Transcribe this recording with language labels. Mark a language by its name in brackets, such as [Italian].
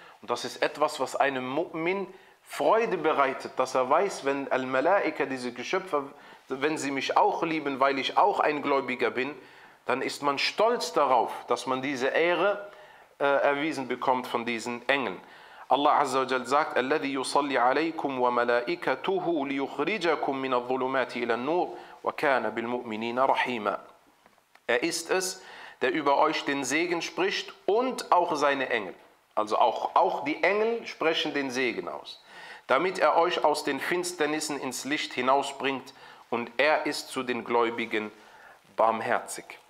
[German] Und das ist etwas, was einem Mu'min Freude bereitet, dass er weiß, wenn Al-Malaika, diese Geschöpfe, wenn sie mich auch lieben, weil ich auch ein Gläubiger bin, dann ist man stolz darauf, dass man diese Ehre erwiesen bekommt von diesen Engeln. [Arabic] Allah Azza wa Jal sagt, الَّذِي يُصَلِّ عَلَيْكُمْ وَمَلَائِكَتُهُ لِيُخْرِجَكُمْ مِنَ الظُّلُمَاتِ إِلَى النُّورِ وَكَانَ بِالْمُؤْمِنِينَ رَحِيمًا. [German] Er ist es, der über euch den Segen spricht und auch seine Engel. Also auch die Engel sprechen den Segen aus, damit er euch aus den Finsternissen ins Licht hinausbringt. Und er ist zu den Gläubigen barmherzig.